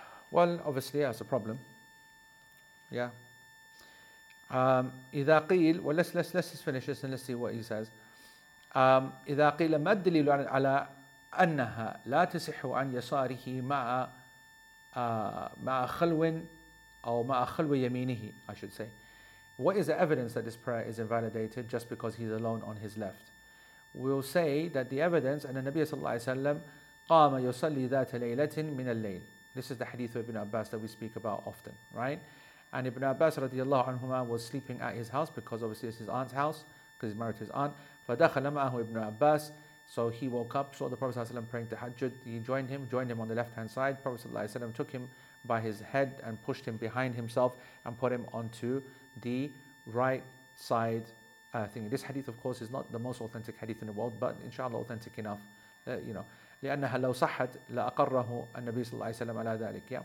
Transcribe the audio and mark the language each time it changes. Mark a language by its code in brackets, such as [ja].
[en] Well, obviously, yeah, it's a problem. Yeah. [ar] إذا قيل, [en] well, let's just finish this and let's see what he says. [ar] إذا قيل ما الدليل على أنها لا تصح عن يساره مع خلو أو مع خلو يمينه, [en] I should say. What is the evidence that this prayer is invalidated just because he's alone on his left? We'll say that the evidence, and the Nabi [ar] صلى الله عليه وسلم قام يصلي ذات ليلة من الليل. [en] This is the hadith of Ibn Abbas that we speak about often, right? And Ibn Abbas radiallahu anhuma was sleeping at his house, because obviously it's his aunt's house, because he's married to his aunt. [ar] فَدَخَلَ مَعَهُ [en] Ibn Abbas. So he woke up, saw the Prophet ﷺ praying to Hajjud. He joined him on the left-hand side. Prophet ﷺ took him by his head and pushed him behind himself and put him onto the right side thing. This hadith, of course, is not the most authentic hadith in the world, but inshallah, authentic enough. You know, [ar] لأنها لو صحت لأقره النبي صلى الله عليه وسلم على ذلك.